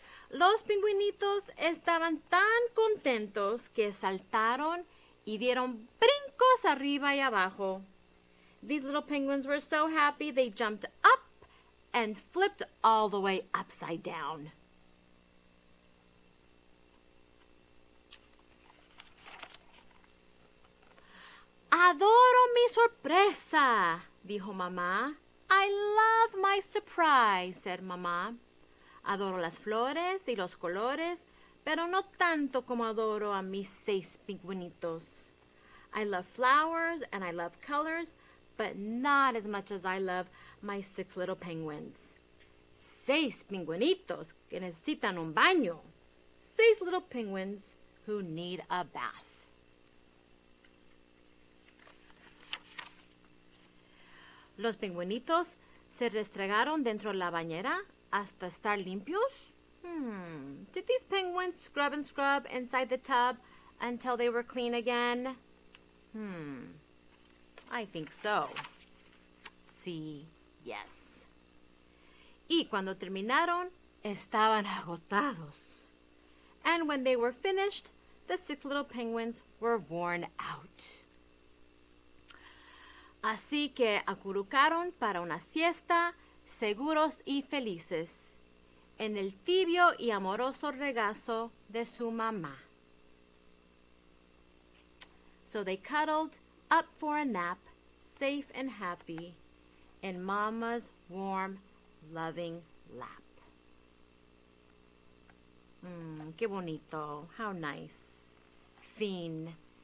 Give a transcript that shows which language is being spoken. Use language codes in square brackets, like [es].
[es] Los pingüinitos estaban tan contentos que saltaron y dieron brincos arriba y abajo. [en] These little penguins were so happy they jumped up and flipped all the way upside down. [es] Adoro mi sorpresa, dijo mamá. [en] I love my surprise, said mamá. [es] Adoro las flores y los colores, pero no tanto como adoro a mis 6 pingüinitos. [en] I love flowers and I love colors, but not as much as I love my 6 little penguins. [es] 6 pingüinitos que necesitan un baño. [en] 6 little penguins who need a bath. [es] Los pingüinitos se restregaron dentro de la bañera hasta estar limpios. [en] Did these penguins scrub and scrub inside the tub until they were clean again? I think so. [es] Sí, [en] yes. [es] Y cuando terminaron, estaban agotados. [en] And when they were finished, the 6 little penguins were worn out. [es] Así que acurrucaron para una siesta seguros y felices, en el tibio y amoroso regazo de su mamá. [en] So they cuddled up for a nap, safe and happy, in Mama's warm, loving lap. [es] Qué bonito. [en] How nice. [es] Fin.